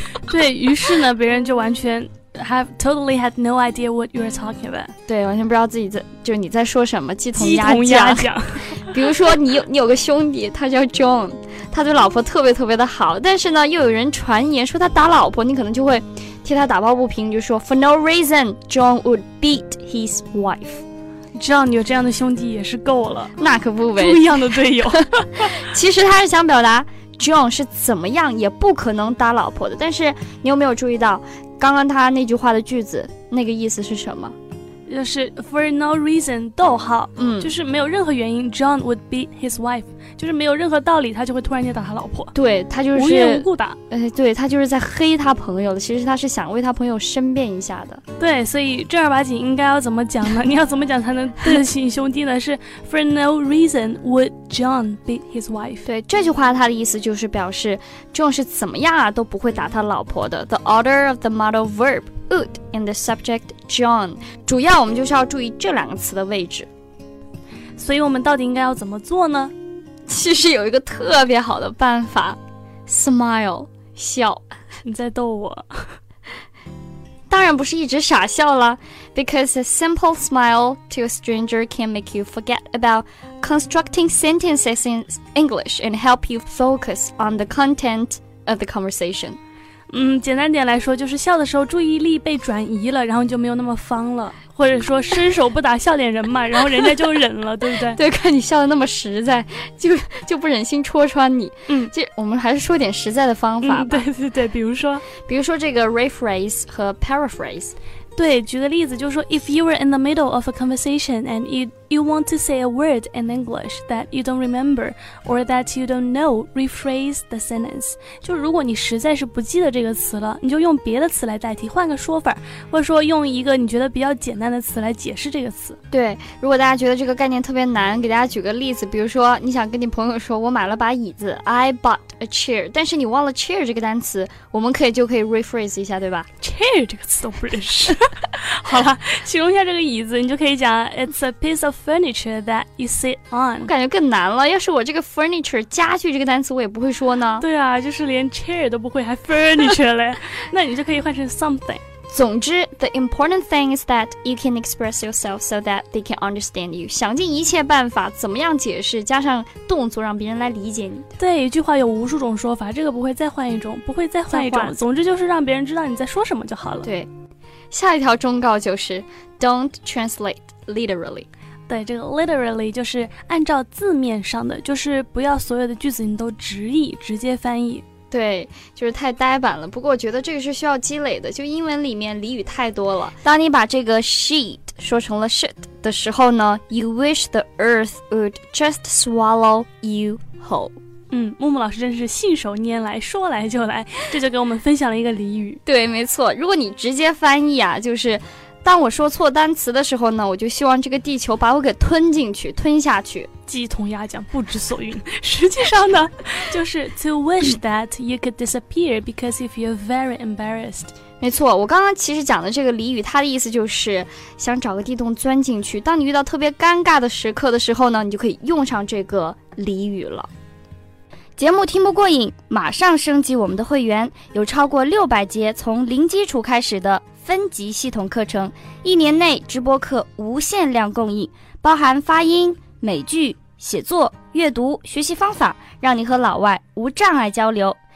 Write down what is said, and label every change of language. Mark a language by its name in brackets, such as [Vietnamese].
[Chinese] 对于是呢，别人就完全 [English] have totally had no idea what you're talking about。 [Chinese] 对，完全不知道自己在，就是你在说什么，鸡同鸭讲。比如说你有个兄弟，他叫 John， 他对老婆特别特别的好，但是呢又有人传言说他打老婆，你可能就会替他打抱不平，就说 [English] For no reason John would beat his wife。 [Chinese] John 有这样的兄弟也是够了，那可不呗，不一样的队友。其实他是想表达 John 是怎么样也不可能打老婆的，但是你有没有注意到刚刚他那句话的句子那个意思是什么，就是 [English] for no reason [Chinese] 逗号，就是没有任何原因 [English] John would beat his wife， [Chinese] 就是没有任何道理他就会突然间打他老婆。对，他就是无缘无故打。对，他就是在黑他朋友的，其实他是想为他朋友申辩一下的。对，所以正儿八经应该要怎么讲呢？你要怎么讲才能对得起兄弟呢？是 [English] for no reason would John beat his wife。 [Chinese] 对，这句话他的意思就是表示 John 是怎么样啊都不会打他老婆的。 [English] The order of the modal verb would in the subject John， [Chinese] 主要我们就是要注意这两个词的位置。所以我们到底应该要怎么做呢？其实有一个特别好的办法， smile， 笑。你在逗我？当然不是一直傻笑了。 [English] Because a simple smile to a stranger can make you forget about constructing sentences in English and help you focus on the content of the conversation。 [Chinese] 简单点来说就是笑的时候注意力被转移了，然后就没有那么方了，或者说伸手不打笑脸人嘛，然后人家就忍了，对不对？对，看你笑得那么实在，就不忍心戳穿你。这我们还是说点实在的方法吧。对对对，比如说这个 rephrase 和 paraphrase。对，举个例子，就是说 [English] if you were in the middle of a conversation and you want to say a word in English that you don't remember or that you don't know, rephrase the sentence. [Chinese] 就如果你实在是不记得这个词了，你就用别的词来代替，换个说法，或者说用一个你觉得比较简单的词来解释这个词。对，如果大家觉得这个概念特别难，给大家举个例子，比如说你想跟你朋友说我买了把椅子 [English] I bought a chair, [Chinese] 但是你忘了 chair 这个单词，我们就可以 rephrase 一下，对吧？ chair 这个词都不认识。好了，形容一下这个椅子，你就可以讲 [English] it's a piece of furniture that you sit on. [Chinese] 我感觉更难了，要是我这个 furniture 家具这个单词我也不会说呢。对啊，就是连 chair 都不会还 furniture 嘞。那你就可以换成 something。总之 [English] the important thing is that you can express yourself so that they can understand you. [Chinese] 想尽一切办法怎么样解释，加上动作让别人来理解你。对，一句话有无数种说法，这个不会再换一种，不会再换一种，总之就是让别人知道你在说什么就好了。对，下一条忠告就是 [English] don't translate literally。 [Chinese] 对，这个 literally 就是按照字面上的，就是不要所有的句子你都直译，直接翻译。对，就是太呆板了。不过我觉得这个是需要积累的，就英文里面俚语太多了。当你把这个 sheet 说成了 shit 的时候呢， [English] you wish the earth would just swallow you whole。 [Chinese] 嗯，木木老师真是信手拈来，说来就来，这就给我们分享了一个俚语。对，没错，如果你直接翻译啊，就是当我说错单词的时候呢，我就希望这个地球把我给吞进去，吞下去，鸡同鸭讲，不知所云。实际上呢，就是 [English] to wish that you could disappear because if you're very embarrassed。 [Chinese] 没错，我刚刚其实讲的这个俚语，它的意思就是想找个地洞钻进去。当你遇到特别尴尬的时刻的时候呢，你就可以用上这个俚语了。节目听不过瘾，马上升级我们的会员，有超过600节从零基础开始的分级系统课程，一年内直播课无限量供应，包含发音、美剧、写作、阅读、学习方法，让你和老外无障碍交流。